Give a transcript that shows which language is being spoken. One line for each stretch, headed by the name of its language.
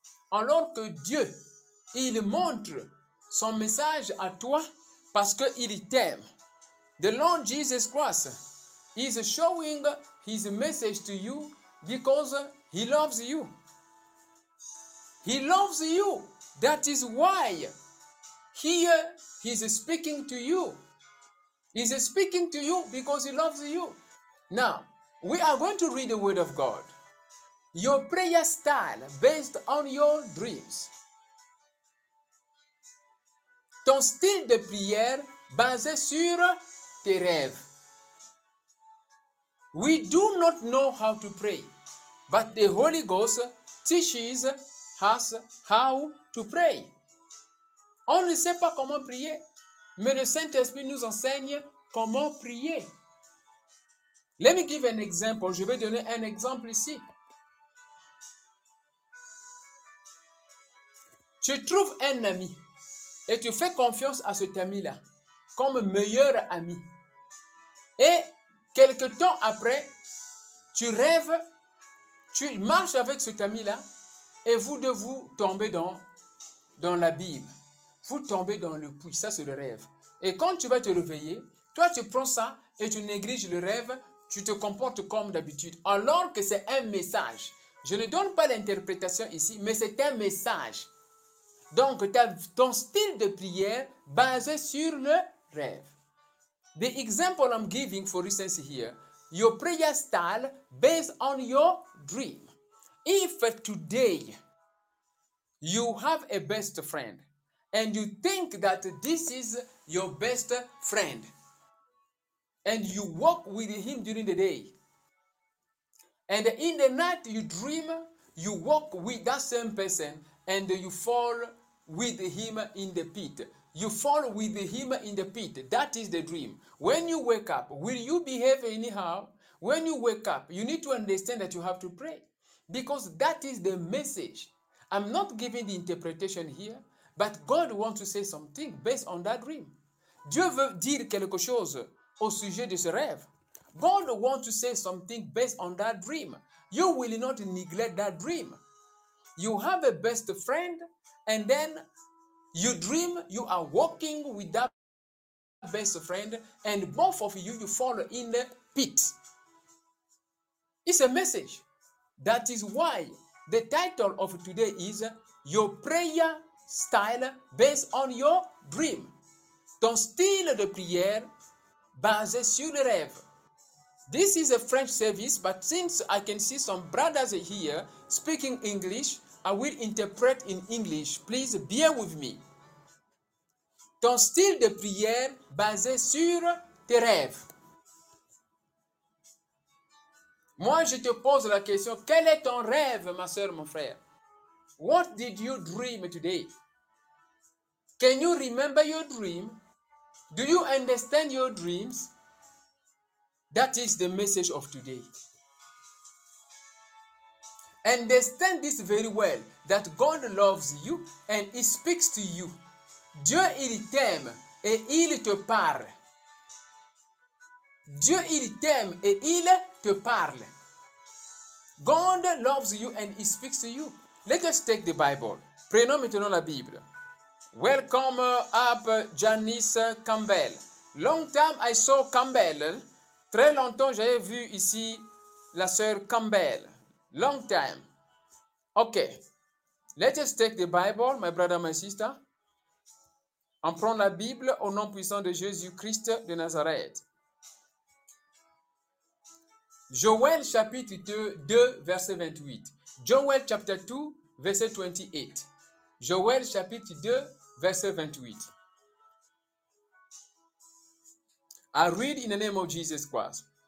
French: Alors que Dieu, il montre son message à toi parce qu'il t'aime.
English: The Lord Jesus Christ is showing his message to you because he loves you. He loves you. That is why here he's speaking to you. He's speaking to you because he loves you. Now, we are going to read the word of God. Your prayer style based on your dreams.
French: Ton style de prière basé sur tes rêves.
English: We do not know how to pray, but the Holy Ghost teaches us how to pray.
French: On ne sait pas comment prier, mais le Saint-Esprit nous enseigne comment prier.
English: Let me give an example.
French: Je vais donner un exemple ici. Tu trouves un ami et tu fais confiance à cet ami-là comme meilleur ami. Et quelque temps après, tu rêves, tu marches avec cet ami-là et vous deux, vous tombez dans l'abîme. Vous tombez dans le puits, ça c'est le rêve. Et quand tu vas te réveiller, toi tu prends ça et tu négliges le rêve, tu te comportes comme d'habitude. Alors que c'est un message. Je ne donne pas l'interprétation ici, mais c'est un message. Donc, ton style de prière basé sur le rêve.
English: The example I'm giving for instance here, your prayer style based on your dream. If today you have a best friend and you think that this is your best friend and you walk with him during the day and in the night you dream, you walk with that same person and you fall with him in the pit. You fall with him in the pit. That is the dream. When you wake up, will you behave anyhow? When you wake up, you need to understand that you have to pray. Because that is the message. I'm not giving the interpretation here, but God wants to say something based on that dream.
French: Dieu veut dire quelque chose au sujet de ce rêve.
English: God wants to say something based on that dream. You will not neglect that dream. You have a best friend, and then you dream, you are walking with that best friend, and both of you, you fall in the pit. It's a message. That is why the title of today is Your Prayer Style Based on Your Dream.
French: Ton style de prière basé sur le rêve.
English: This is a French service, but since I can see some brothers here speaking English, I will interpret in English. Please bear with me.
French: Ton style de prière basé sur tes rêves. Moi, je te pose la question, quel est ton rêve, ma soeur, mon frère?
English: What did you dream today? Can you remember your dream? Do you understand your dreams? That is the message of today. Understand this very well, that God loves you and He speaks to you.
French: Dieu, il t'aime et il te parle. Dieu, il t'aime et il te parle.
English: God loves you and He speaks to you. Let us take the Bible.
French: Prenons maintenant la Bible.
English: Welcome up Janice Campbell. Long time I saw Campbell.
French: Très longtemps j'avais vu ici la sœur Campbell.
English: Long time. Okay. Let us take the Bible, my brother, my sister.
French: On prend la Bible au nom puissant de Jésus-Christ de Nazareth. Joël chapitre 2, verset 28. Joël chapitre 2, verset 28. Joël chapitre 2, verset 28.
English: I read in the name of Jesus Christ.